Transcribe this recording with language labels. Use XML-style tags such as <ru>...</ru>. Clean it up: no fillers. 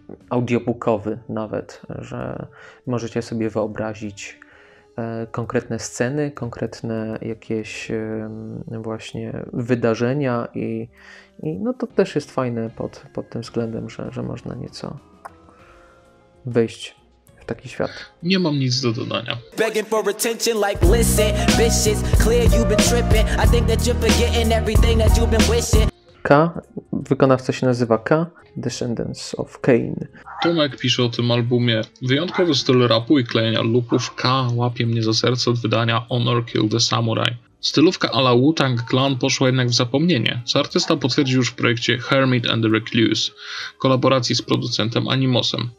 <pl>audiobookowy nawet, że możecie sobie wyobrazić konkretne sceny, konkretne jakieś właśnie wydarzenia i no to też jest fajne pod tym względem, że można nieco wejść w taki świat. Nie mam nic do dodania.</pl> <en>Begging for attention like listen, bitches, clear you've been tripping. I think that you're forgetting everything that you've been wishing.</en> <pl>K. Wykonawca się nazywa K. Descendants of Cain. Tomek pisze o tym albumie. Wyjątkowy styl rapu i klejenia loopów K łapie mnie za serce od wydania Honor Kill the Samurai. Stylówka a la Wu-Tang Clan poszła jednak w zapomnienie, co artysta potwierdził już w projekcie Hermit and the Recluse, kolaboracji z producentem Animosem.</pl>